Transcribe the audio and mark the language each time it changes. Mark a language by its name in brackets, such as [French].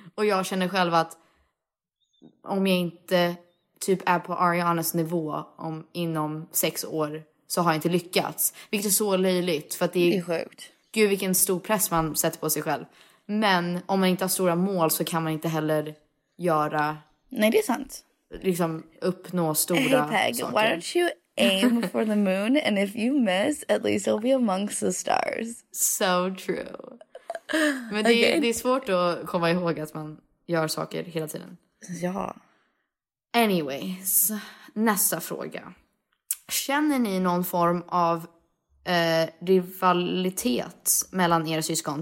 [Swedish] Och jag känner själv att om jag inte typ är på Arianas nivå inom 6 år... Så har jag inte lyckats. Vilket är så löjligt. För att det är sjukt. Gud vilken stor press man sätter på sig själv. Men om man inte har stora mål så kan man inte heller göra... Nej, det är sant. Liksom uppnå stora saker. [English] Hey Peg, why don't you aim for the moon? And if you miss, at least you'll be amongst the stars. So true. [Swedish] Men det, [English] okay. [Swedish] Det är svårt att komma ihåg att man gör saker hela tiden. Ja. Anyways, nästa fråga. Känner ni någon form av rivalitet mellan era syskon?